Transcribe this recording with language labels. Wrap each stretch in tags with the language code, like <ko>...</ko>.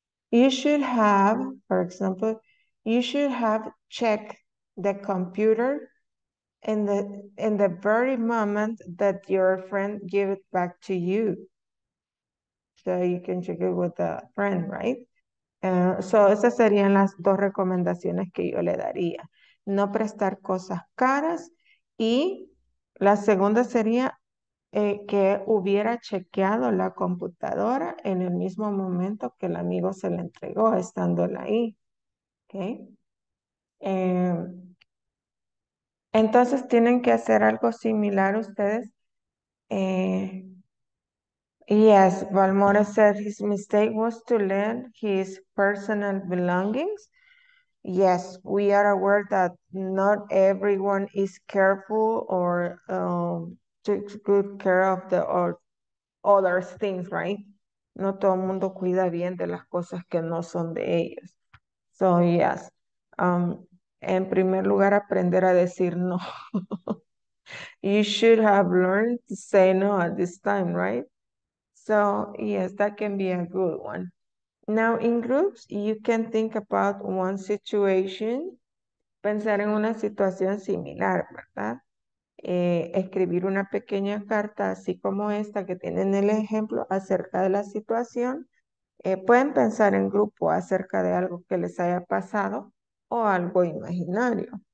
<en>You should have, for example, you should have checked the computer in the very moment that your friend gave it back to you. So you can check it with a friend, right?</en> <es>So, esas serían las dos recomendaciones que yo le daría. No prestar cosas caras. Y la segunda sería que hubiera chequeado la computadora en el mismo momento que el amigo se la entregó, estándola ahí.</es> <en>Okay.</en> <es>Entonces, tienen que hacer algo similar ustedes.</es> <en>Yes, Valmore said his mistake was to lend his personal belongings. Yes, we are aware that not everyone is careful or takes good care of the other things, right?</en> <es>No todo el mundo cuida bien de las cosas que no son de ellos.</es> <en>So, yes,</en> <es>en primer lugar, aprender a decir no.</es> <en>You should have learned to say no at this time, right? So, yes, that can be a good one. Now, in groups, you can think about one situation.</en> <es>Pensar en una situación similar, ¿verdad? Escribir una pequeña carta, así como esta que tienen el ejemplo, acerca de la situación. Pueden pensar en grupo acerca de algo que les haya pasado o algo imaginario.</es>